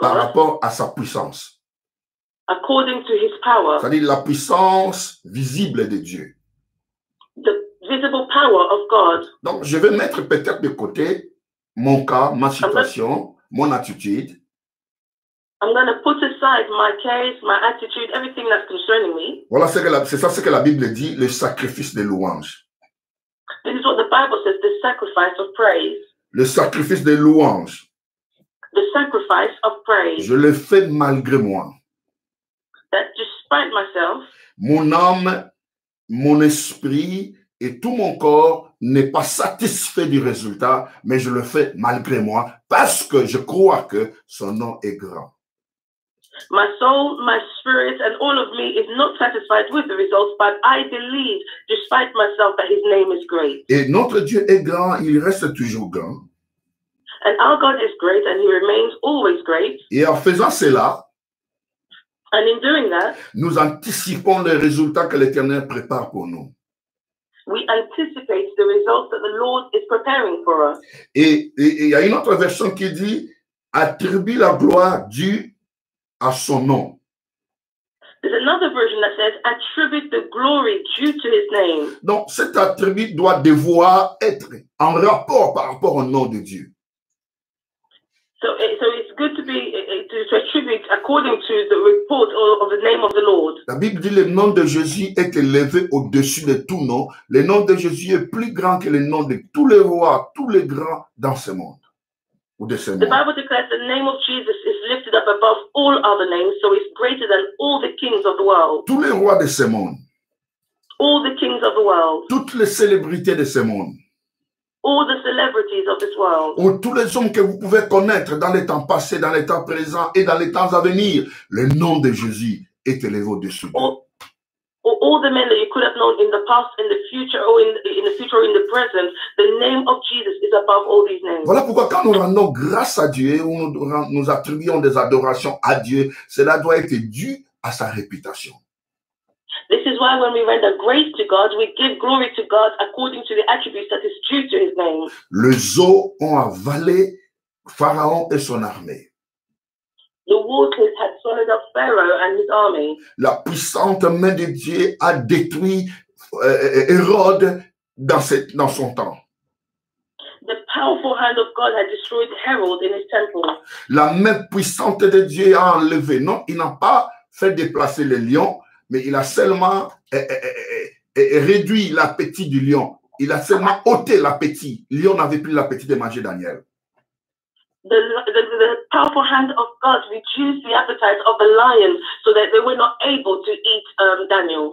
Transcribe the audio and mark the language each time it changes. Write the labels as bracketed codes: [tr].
[fr] Par rapport à sa puissance. [en] According to his power. [fr] C'est-à-dire la puissance visible de Dieu. [en] The visible power of God. [fr] Donc je vais mettre peut-être de côté mon cas, ma situation, mon attitude. [en] I'm going to put aside my case, my attitude, everything that's concerning me. [fr] Voilà ce que c'est ça que la Bible dit, le sacrifice de louange. [en] This is what the Bible says, the sacrifice of praise. [fr] Le sacrifice de louange. [en] The sacrifice of praise. [fr] Je le fais malgré moi. [en] That despite myself. [fr] Mon âme, mon esprit et tout mon corps n'est pas satisfait du résultat, mais je le fais malgré moi parce que je crois que son nom est grand. [en] My soul, my spirit, and all of me is not satisfied with the results, but I believe, despite myself, that his name is great. [fr] Et notre Dieu est grand, il reste toujours grand. [en] And our God is great, and he remains always great. [fr] Et en faisant cela, [en] and in doing that, [fr] nous anticipons les résultats que l'Éternel prépare pour nous. [en] We anticipate the results that the Lord is preparing for us. [fr] Et il y a une autre version qui dit, attribue la gloire du à son nom. [en] There's another version that says attribute the glory due to his name. [fr] Donc cet attribut doit devoir être en rapport par rapport au nom de Dieu. [en] So it's good to attribute according to the report of the name of the Lord. [fr] La Bible dit le nom de Jésus est élevé au-dessus de tout nom. Le nom de Jésus est plus grand que le nom de tous les rois, tous les grands dans ce monde. [en] The Bible declares the name of Jesus is lifted up above all other names, so it's greater than all the kings of the world. [fr] Tous les rois de ce monde. [en] All the kings of the world. [fr] Toutes les célébrités de ce monde. [en] All the celebrities of this world. [fr] Ou tous les hommes que vous pouvez connaître dans les temps passés, dans les temps présents et dans les temps à venir, le nom de Jésus est élevé au-dessus. [en] Or all the men that you could have known in the past, in the future, or in the future, or in the present, the name of Jesus is above all these names. [fr] Voilà pourquoi quand nous rendons grâce à Dieu ou nous attribuons des adorations à Dieu, cela doit être dû à sa réputation. [en] This is why when we render grace to God, we give glory to God according to the attributes that is due to his name. [fr] Les eaux ont avalé Pharaon et son armée. [en] The waters had swallowed up Pharaoh and his army. [fr] La puissante main de Dieu a détruit Hérode dans son temps. [en] The powerful hand of God had destroyed Herod in his temple. [fr] La main puissante de Dieu a enlevé. Non, il n'a pas fait déplacer le lion, mais il a seulement réduit l'appétit du lion. Il a seulement ôté l'appétit. Le lion n'avait plus l'appétit de manger Daniel. [en] The powerful hand of God reduced the appetite of the lion so that they were not able to eat Daniel.